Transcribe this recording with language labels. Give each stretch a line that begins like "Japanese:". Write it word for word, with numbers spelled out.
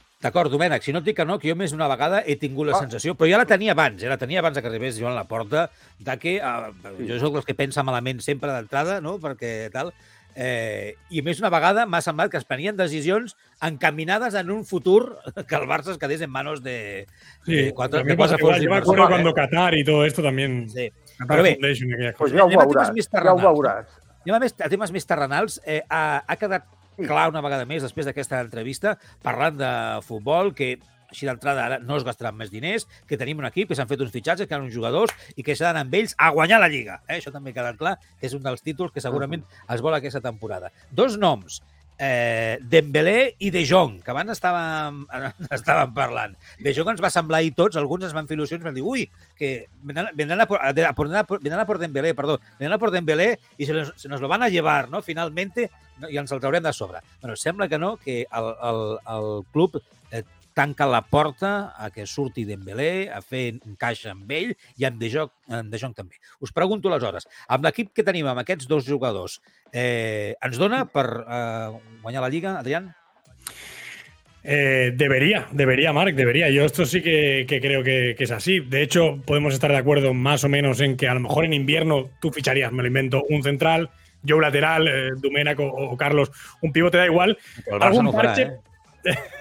Catalan: D'acord, Domènec, si no et dic que no, que jo més d'una vegada he tingut la ah. sensació, però ja la tenia abans, eh, la tenia abans que arribés Joan Laporta, de que eh, sí. jo sóc els que pensa malament sempre d'entrada, no? Perquè tal... Eh, i més una vegada m'ha semblat que es prenien decisions encaminades en un futur que el Barça es quedés
Spanish: en manos de, sí, de cuatro de cuatro fuerzas. Yo me acuerdo cuando Qatar y todo esto también.
Catalan: Sí. Pero bé, pues ja ho veuràs. Ja ho veuràs. Anem a, més, a temes més terrenals. Eh, ha, ha quedat clar una vegada més, després d'aquesta entrevista, parlant de futbol, que així d'entrada ara no es gastaran més diners, que tenim un equip, que s'han fet uns fitxatges, que han uns jugadors i que s'han d'anar amb ells a guanyar la Lliga. Eh? Això també queda clar, que és un dels títols que segurament es vol aquesta temporada. Dos noms, eh, Dembélé i De Jong, que abans estàvem, estàvem parlant. De Jong ens va semblar i tots, alguns ens van fer il·lusions, van dir, ui, que
Spanish: vendran a por,
Catalan: a, a, por, a, por, a por Dembélé, perdó, vendran a por Dembélé i
Spanish: se, se nos lo van a llevar,
Catalan: no?
Spanish: Finalmente, no?
Catalan: I ens el traurem de sobre. Bueno, sembla que no, que el, el, el club... Eh, tanca la porta a que surti Dembélé, a fer caixa amb ell i amb De Jong, amb De Jong també. Us pregunto aleshores, amb l'equip que tenim, amb aquests dos jugadors, eh, ens dona per eh, guanyar la Lliga, Adrián?
Spanish: Eh, debería, debería, Marc, debería. Yo esto sí que, que creo que, que es así. De hecho, podemos estar de acuerdo más o menos en que a lo mejor en invierno tú ficharías, me lo invento, un central, yo un lateral, eh, Domènec o, o Carlos, un pivote, da igual.
Catalan: El Barça no farà, eh?